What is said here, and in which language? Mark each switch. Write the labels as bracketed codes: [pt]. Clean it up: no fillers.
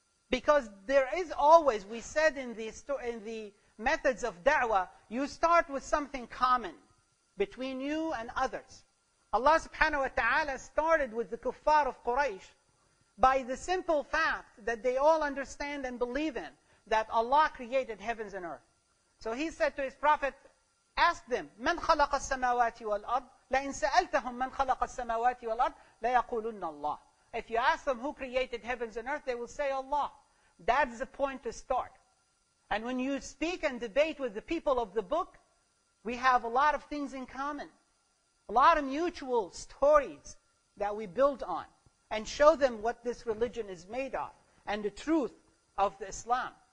[en] Because there is always, we said in the methods of da'wah, you start with something common between you and others. Allah subhanahu wa ta'ala started with the kuffar of Quraysh by the simple fact that they all understand and believe in that Allah created heavens and earth. So he said to his prophet, ask them, [ar] مَنْ خَلَقَ السَّمَاوَاتِ وَالْأَرْضِ لَإِنْ سَأَلْتَهُمْ مَنْ خَلَقَ السَّمَاوَاتِ وَالْأَرْضِ لَيَقُولُنَّ اللَّهِ. [en] If you ask them who created heavens and earth, they will say Allah. That's the point to start. And when you speak and debate with the people of the book, we have a lot of things in common. A lot of mutual stories that we build on and show them what this religion is made of and the truth of the Islam.